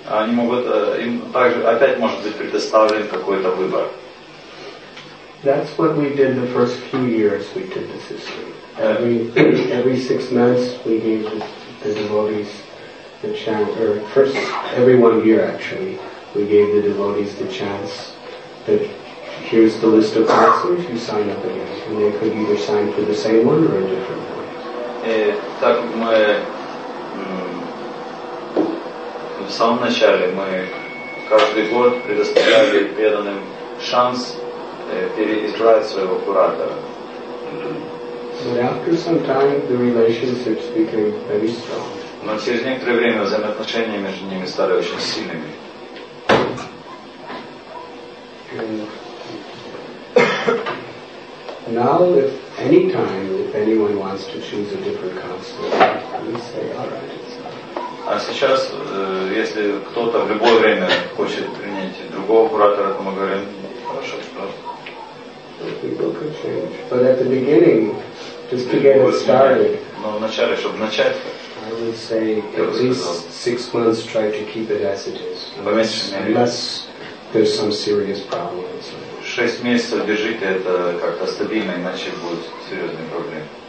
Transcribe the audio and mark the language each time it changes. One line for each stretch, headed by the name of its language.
Russian: Они могут им также опять может быть предоставлен какой-то выбор.
English: That's what we did the first few years we did the system. Every 6 months we gave the devotees the chance, or first, every 1 year actually, we gave the devotees the chance that here's the list of counselors you sign up again. And they could either sign for the same one or a different one.
Russian: Так мы в самом начале мы каждый год предоставляли преданным шанс переизбрать своего куратора.
English: But after some time, the relationships became very strong.
Russian: Но через некоторое время взаимоотношения между ними стали очень сильными.
English: And now, if any time, if anyone wants to choose a different counselor, we say, all right, it's fine.
Russian: А сейчас, если кто-то в любое время хочет принять другого куратора, то мы говорим, хорошо, что.
English: People could change. But at the beginning, just to get it started.
Russian: Но вначале, чтобы начать.
English: I would say at least 6 months try to keep it as it is. Unless there's some serious problem.
Russian: 6 месяцев держите это как-то стабильно, иначе будут серьезные проблемы.